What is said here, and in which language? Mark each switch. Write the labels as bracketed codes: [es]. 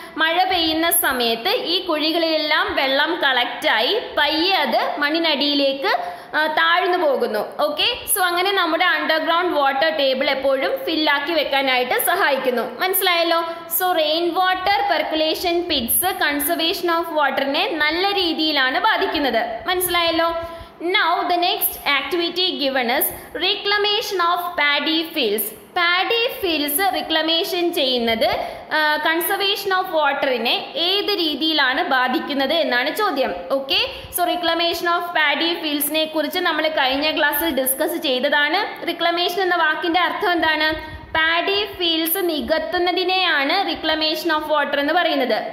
[ml] മഴ പെയ്യുന്ന സമയത്ത് ഈ കുഴികളിലെല്ലാം വെള്ളം കളക്റ്റായി പയ്യെ അത് മണ്ണിനടിയിലേക്ക് താഴ്ന്നു പോകുന്നു. ഓക്കെ, സോ അങ്ങനെ നമ്മുടെ [en] underground water table [ml] എപ്പോഴും ഫില്ലാക്കി വെക്കാനായിട്ട് സഹായിക്കുന്നു. മനസ്സിലായല്ലോ. [en] so rain water percolation pits conservation of വാട്ടറിനെ [ml] നല്ല രീതിയിലാണ് ബാധിക്കുന്നത്. മനസ്സിലായല്ലോ. [en] Now, the next activity given is reclamation of paddy fields. [ml] Paddy fields reclamation ചെയ്യുന്നത് [en] conservation of വാട്ടറിനെ [ml] ഏത് രീതിയിലാണ് ബാധിക്കുന്നത് എന്നാണ് ചോദ്യം. Okay, so [en] reclamation of paddy ഫീൽഡ്സിനെ [ml] കുറിച്ച് നമ്മൾ കഴിഞ്ഞ ക്ലാസ്സിൽ ഡിസ്കസ് ചെയ്തതാണ്. റിക്ലമേഷൻ എന്ന വാക്കിൻ്റെ അർത്ഥം എന്താണ്? Paddy fields നികത്തുന്നതിനെയാണ് [en] reclamation of water [ml] എന്ന് പറയുന്നത്.